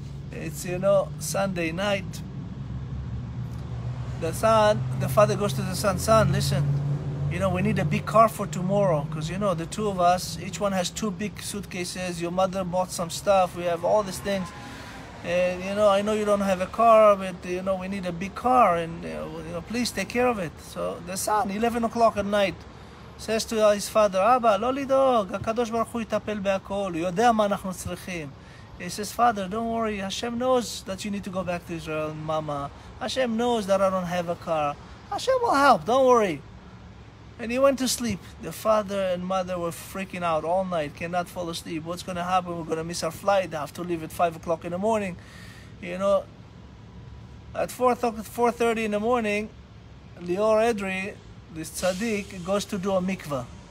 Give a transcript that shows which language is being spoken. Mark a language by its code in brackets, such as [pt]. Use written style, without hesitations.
[en] It's, you know, Sunday night. The father goes to the son, son, listen, you know, we need a big car for tomorrow, because, you know, the two of us, each one has two big suitcases, your mother bought some stuff, we have all these things. And, you know you don't have a car, but, you know, we need a big car, and, you know, please take care of it. So the son, 11 o'clock at night, says to his father, Abba, [he] לא לדאוג, הקדוש ברוך הוא יטפל בהכל, הוא יודע מה אנחנו צריכים. [en] He says, Father, don't worry, Hashem knows that you need to go back to Israel, Mama. Hashem knows that I don't have a car. Hashem will help, don't worry. And he went to sleep. The father and mother were freaking out all night, cannot fall asleep. What's going to happen? We're going to miss our flight. I have to leave at 5 o'clock in the morning. You know, at 4:30 in the morning, Lior Edri, this tzaddik, goes to do a mikvah.